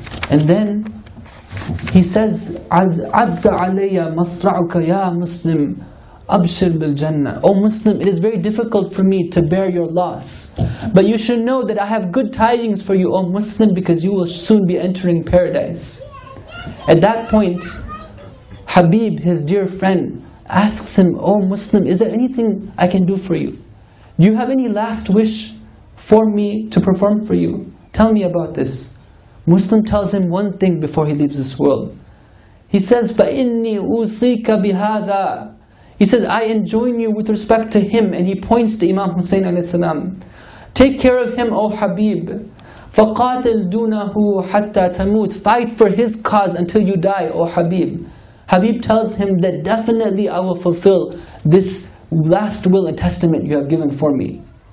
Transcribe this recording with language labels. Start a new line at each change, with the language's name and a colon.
English: And then he says,
Arabic: عَزَّ عَلَيَّ مَصْرَعُكَ يَا مُسْلِمْ أَبْشِرْ بِالْجَنَّةِ.
English: O Muslim, it is very difficult for me to bear your loss. But you should know that I have good tidings for you, O Muslim, because you will soon be entering paradise. At that point, Habib, his dear friend, asks him, O Muslim, is there anything I can do for you? Do you have any last wish for me to perform for you? Tell me about this. Muslim tells him one thing before he leaves this world. He says,
Arabic: فَإِنِّي أُوصِيكَ بِهَذَا.
English: He says, I enjoin you with respect to him. And he points to Imam Hussein alayhi salam. Take care of him, O Habib.
Arabic: فَقَاتِلْ دُونَهُ حَتَّى تَمُوتْ.
English: Fight for his cause until you die, O Habib. Habib tells him that definitely I will fulfill this last will and testament you have given for me.